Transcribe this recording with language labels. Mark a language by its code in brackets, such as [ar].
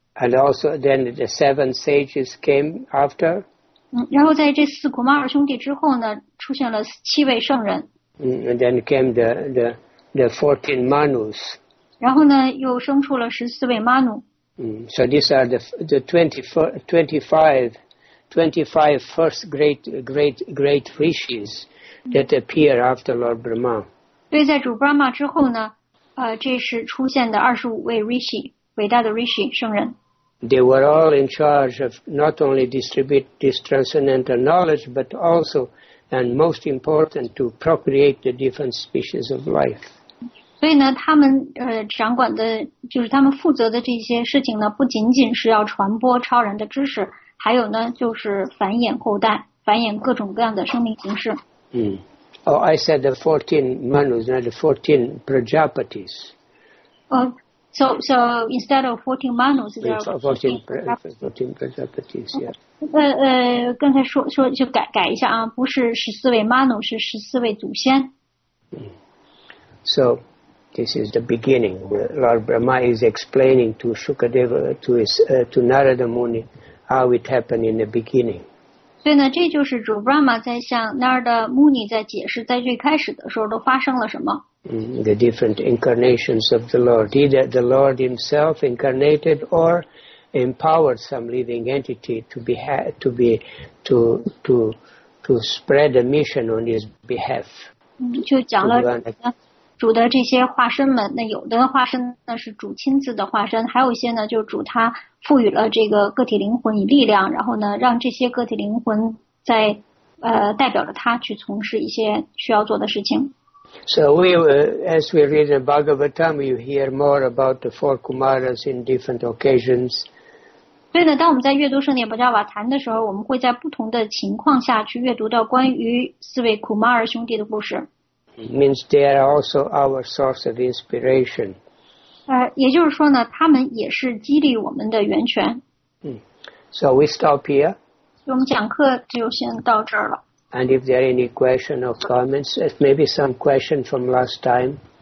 [en] And also then the seven sages came after. [zh] 然后在这四库玛尔兄弟之后呢，出现了七位圣人。 [en] And then came the 14 Manus. [zh] 然后呢，又生出了十四位 Manu. [en] So these are the 25 first great rishis that appear after Lord Brahma. [zh] 对，在主 Brahma 之后呢。这是出现的25位 Rishi, 伟大的 Rishi, 圣人。 [en] They were all in charge of not only distribute this transcendental knowledge, but also, and most important, to procreate the different species of life. [zh] 所以呢，他们掌管的，就是他们负责的这些事情呢，不仅仅是要传播超然的知识，还有呢，就是繁衍后代，繁衍各种各样的生命形式。 [en] Oh, I said the 14 Manus, not the 14 Prajapatis. So instead of 14 Manus, there are 14 Prajapatis, yeah. [zh] 刚才说就改一下啊，不是14位 Manus, 是14位祖先。 [en] So, this is the beginning. Lord Brahma is explaining to Shukadeva, to Narada Muni, how it happened in the beginning. [zh] 所以呢，这就是主 Brahma 在向 Narada Muni 在解释，在最开始的时候都发生了什么。 [en] The different incarnations of the Lord, either the Lord Himself incarnated or empowered some living entity to spread a mission on His behalf. [zh] 就讲了主的这些化身们，那有的化身那是主亲自的化身，还有一些呢，就主他。赋予了这个个体灵魂以力量，然后呢，让这些个体灵魂在代表着他去从事一些需要做的事情。 [en] So we, as we read the Bhagavatam, you hear more about the four Kumaras in different occasions. [zh] 对的，当我们在阅读圣典巴加瓦坛的时候，我们会在不同的情况下去阅读到关于四位库玛尔兄弟的故事。 [en] Means they are also our source of inspiration. [zh] 也就是说呢，他们也是激励我们的源泉。 [en] So we stop here. [zh] 我们讲课就先到这儿了。 [en] And if there are any questions or comments, maybe some question from last time.